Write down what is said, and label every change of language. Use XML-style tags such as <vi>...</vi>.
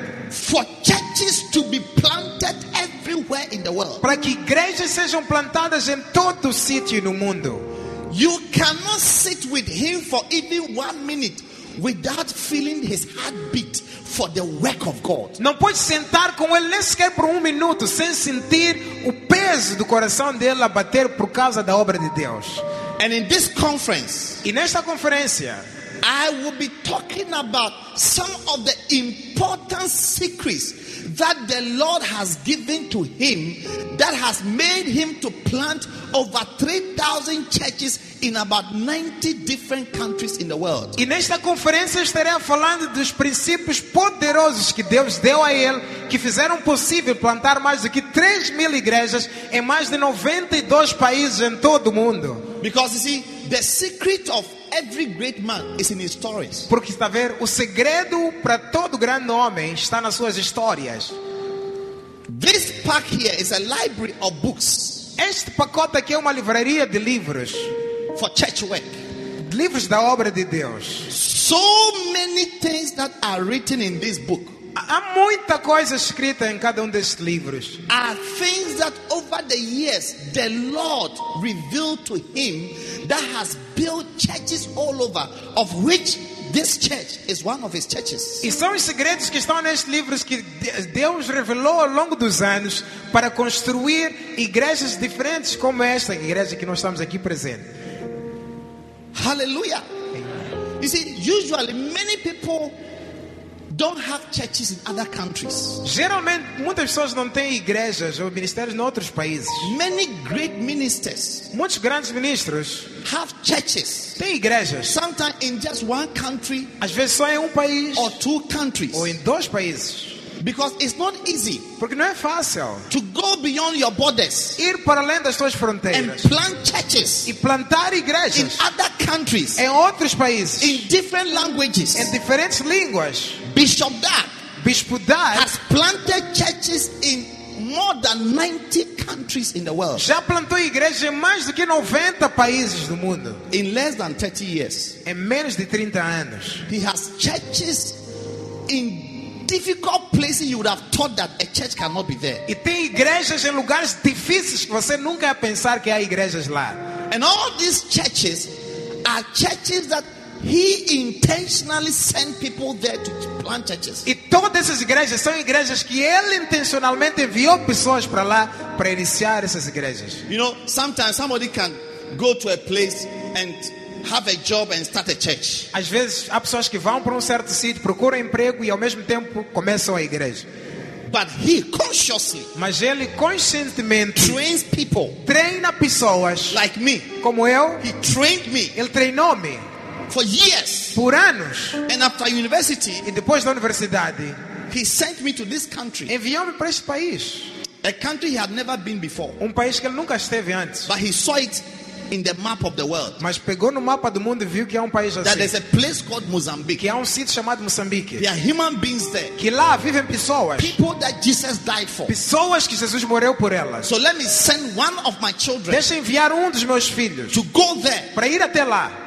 <en>For churches to be planted everywhere in the world.</en> <pt>Para que igrejas sejam plantadas em todo o sítio no mundo.</pt> <en>You cannot sit with him for even 1 minute without feeling his heartbeat for the work of God.</en> <pt>Não pode sentar com ele nem sequer por 1 minute sem sentir o peso do coração dele a bater por causa da obra de Deus.</pt> <en>And in this conference,</en> <pt>e nesta conferência,</pt> <en>I will be talking about some of the important secrets that the Lord has given to him that has made him to plant over 3,000 churches in about 90 different countries in the world.</en> <pt>E nesta conferência estarei falando dos princípios poderosos que Deus deu a ele que fizeram possível plantar mais do que 3,000 igrejas em mais de 92 países em todo o mundo.</pt> <en>Because you see, the secret of every great man is in his stories.</en> <pt>Porque está a ver, o segredo para todo grande homem está nas suas histórias.</pt> <en>This pack here is a library of books.</en> <pt>Este pacote aqui é uma livraria de livros.</pt> <en>For church work.</en> <pt>Livros da obra de Deus.</pt> <en>So many things that are written in this book.</en> <pt>Há muita coisa escrita em cada destes livros.</pt> <en>Are things that over the years the Lord revealed to him that has built churches all over, of which this church is one of his churches.</en> <pt>E são os segredos que estão nestes livros que Deus revelou ao longo dos anos para construir igrejas diferentes como esta igreja que nós estamos aqui presente.</pt> <en>Hallelujah. You see, usually many people don't have churches in other countries.</en> <pt>Geralmente muitas pessoas não têm igrejas ou ministérios em outros países.</pt> <en>Many great ministers,</en> <pt>muitos grandes ministros,</pt> <en>have churches.</en> <pt>Têm igrejas.</pt> <en>Sometimes in just one country,</en> <pt>às vezes só em país,</pt> <en>or two countries,</en> <pt>ou em dois países.</pt> <en>Because it's not easy,</en> <pt>porque não é fácil,</pt> <en>to go beyond your borders,</en> <pt>ir para além das suas fronteiras,</pt> <en>and plant churches,</en> <pt>e plantar igrejas,</pt> <en>in other countries,</en> <pt>em outros países,</pt> <en>in different languages,</en> <pt>em diferentes línguas.</pt> <en>Bishop Dad has planted churches in more than 90 countries in the world.</en> <pt>Já plantou igrejas em mais do que 90 países do mundo.</pt> <en>In less than 30 years,</en> <pt>em menos de 30 anos,</pt> <en>he has churches in difficult places you would have thought that a church cannot be there.</en> <pt>E tem igrejas em lugares difíceis que você nunca ia pensar que há igrejas lá.</pt> <en>And all these churches are churches that he intentionally sent people there to plant churches.</en> <pt>E todas essas igrejas são igrejas que ele intencionalmente enviou pessoas para lá para iniciar essas igrejas.</pt> <en>You know, sometimes somebody can go to a place and have a job and start a church.</en> <pt>Às vezes há pessoas que vão para certo sítio, procuram emprego e ao mesmo tempo começam a igreja.</pt> <en>But he consciously,</en> <pt>mas ele conscientemente,</pt> <en>trains people,</en> <pt>treina pessoas,</pt> <en>like me,</en> <pt>como eu.</pt> <en>He trained me,</en> <pt>ele treinou-me,</pt> <en>for years,</en> <pt>por anos.</pt> <en>And after university,</en> <pt>e depois da universidade,</pt> <en>he sent me to this country,</en> <pt>enviou-me para este país,</pt> <en>a country he had never been before,</en> <pt>país que ele nunca esteve antes.</pt> <en>But he saw it in the map of the world.</en> <pt>Mas pegou no mapa do mundo e viu que há país assim.</pt> <en>That there's a place called Mozambique.</en> <pt>Que há sítio chamado Moçambique.</pt> <en>There are human beings there.</en> <pt>Que lá vivem pessoas.</pt> <en>People that Jesus died for.</en> <pt>Pessoas que Jesus morreu por elas.</pt> <en>So let me send one of my children.</en> <pt>Deixa enviar dos meus filhos.</pt> <en>To go there.</en> <pt>Para ir até lá.</pt>